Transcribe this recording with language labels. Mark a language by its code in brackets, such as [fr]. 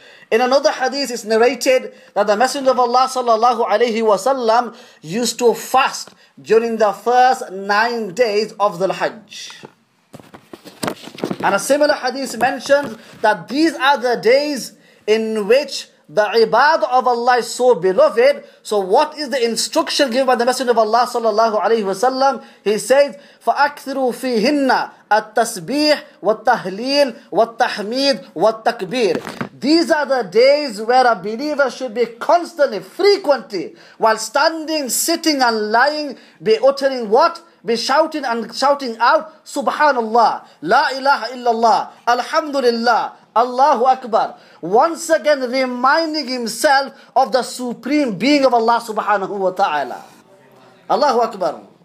[en] In another hadith, it's narrated that the Messenger of Allah sallallahu alayhi wa sallam used to fast during the first 9 days of Dhul-Hajj. And a similar hadith mentions that these are the days in which the ibadah of Allah is so beloved. So what is the instruction given by the Messenger of Allah sallallahu alayhi wa sallam? He says, [ar] فَأَكْثِرُوا فِيهِنَّ التَّسْبِيحِ وَالتَّهْلِيلِ وَالتَّحْمِيدِ وَالتَّكْبِيرِ. [en] These are the days where a believer should be constantly, frequently, while standing, sitting and lying, be uttering what? Be shouting and shouting out, Subhanallah, La ilaha illallah, Alhamdulillah, Allahu Akbar. Once again reminding himself of the supreme being of Allah subhanahu wa ta'ala. Allahu Akbar.